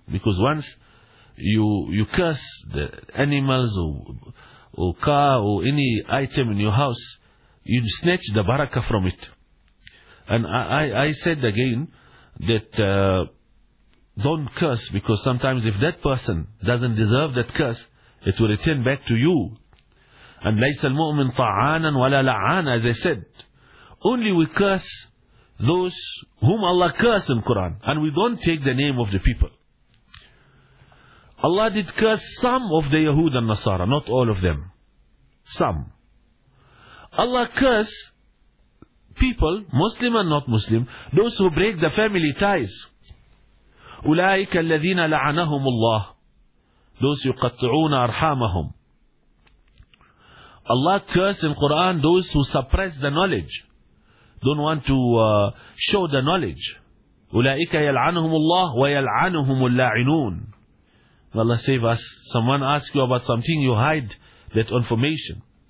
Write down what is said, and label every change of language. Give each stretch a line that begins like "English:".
English: Because once you curse the animals or car or any item in your house, you snatch the barakah from it. And I said again that don't curse, because sometimes if that person doesn't deserve that curse, it will return back to you. And
Arabic: ليس المؤمن طعانا ولا لعانا,
English: as I said. Only we curse those whom Allah curse in Quran, and we don't take the name of the people. Allah did curse some of the Yahud and Nasara, not all of them. Some. Allah curse people, Muslim and not Muslim, those who break the family ties.
Arabic: أُولَٰئِكَ الَّذِينَ لَعَنَهُمُ اللَّهِ.
English: Those
Arabic: يُقَطْعُونَ أَرْحَامَهُمْ.
English: Allah curse in Quran those who suppress the knowledge, don't want to show the knowledge.
Arabic: أُولَٰئِكَ يَلْعَنَهُمُ اللَّهِ وَيَلْعَنُهُمُ اللَّاعِنُونَ.
English: May Allah save us. Someone asks you about something, you hide that information.